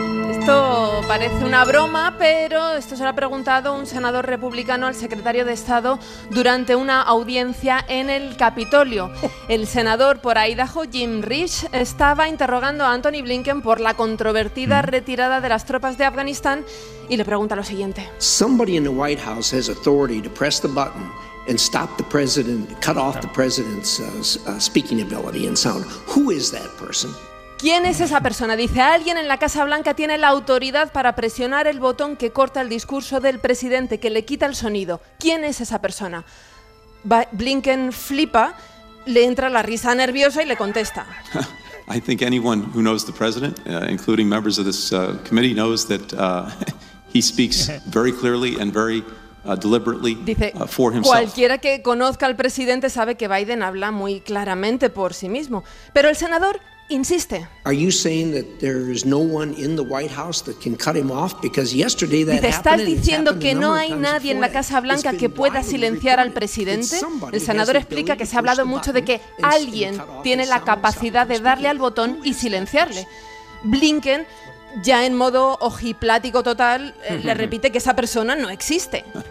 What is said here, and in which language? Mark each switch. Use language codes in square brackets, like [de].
[es] Esto parece una broma, pero esto se lo ha preguntado un senador republicano al secretario de Estado durante una audiencia en el Capitolio. El senador por Idaho, Jim Risch, estaba interrogando a Anthony Blinken por la controvertida retirada de las tropas de Afganistán y le pregunta lo siguiente. [en] Somebody in the White House has authority to press the button and stop the president, cut off the president's speaking ability and sound. Who is that person? [es] ¿Quién es esa persona? Dice, alguien en la Casa Blanca tiene la autoridad para presionar el botón que corta el discurso del presidente, que le quita el sonido. ¿Quién es esa persona? Blinken flipa, le entra la risa nerviosa y le contesta. [en] I think anyone who knows the president, including members of this committee, knows that he speaks very clearly and very deliberately, [es] dice, [en] for himself. [es] Cualquiera que conozca al presidente sabe que Biden habla muy claramente por sí mismo. Pero el senador insiste. [en] Are you saying that there is no one in the White House that can cut him off? Because yesterday that happened. [es] ¿Estás diciendo que no hay nadie en la Casa Blanca que pueda silenciar al presidente? El senador explica que se ha hablado mucho de que alguien tiene la capacidad de darle al botón y silenciarle. Blinken, ya en modo ojiplático total, le repite que esa persona no existe.